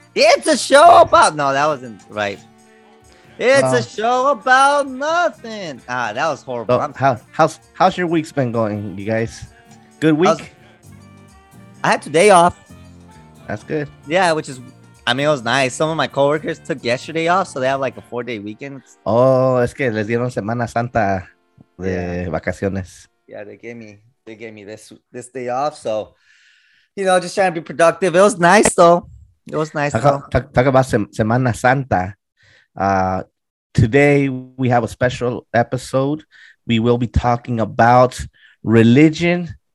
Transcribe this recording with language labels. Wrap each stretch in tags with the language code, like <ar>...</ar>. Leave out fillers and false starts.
<en>It's a show about... No, that wasn't right. It's a show about nothing. Ah, that was horrible. How's your week been going, you guys? Good week? I had today off. That's good. Yeah, which is, I mean, it was nice. Some of my coworkers took yesterday off, so they have like a 4-day weekend.</en> <es>Oh, es que les dieron Semana Santa de vacaciones.</es> <en>Yeah, they gave me this day off. So, you know, just trying to be productive. It was nice, though. Talk about Semana Santa. Today, we have a special episode. We will be talking about religion.</en>